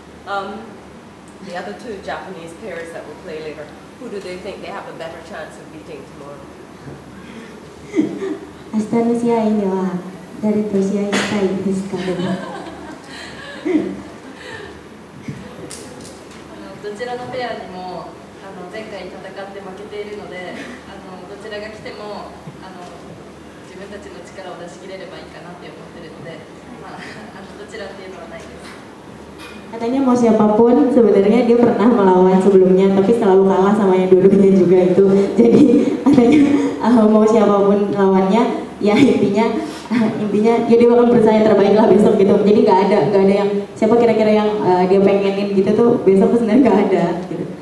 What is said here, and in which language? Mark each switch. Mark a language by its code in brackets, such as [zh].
[en] The other two Japanese pairs that will play later, who do they think they have a better chance of beating tomorrow? [id] Astanusia ini wah dari Tosia Isai di sekarang. [ja] どちらのペアにも前回戦って負けているので、どちらが来ても自分たちの力を出し切れればいいかなって思ってるので、どちらっていうのはないです。 [id] Katanya mau siapapun sebenarnya dia pernah melawan sebelumnya tapi selalu kalah sama yang dulunya juga itu. Jadi katanya mau siapapun lawannya ya intinya jadi bakal berusaha yang terbaik lah besok gitu. Jadi nggak ada yang siapa kira-kira yang dia pengenin gitu tuh besok tuh sebenarnya nggak ada gitu.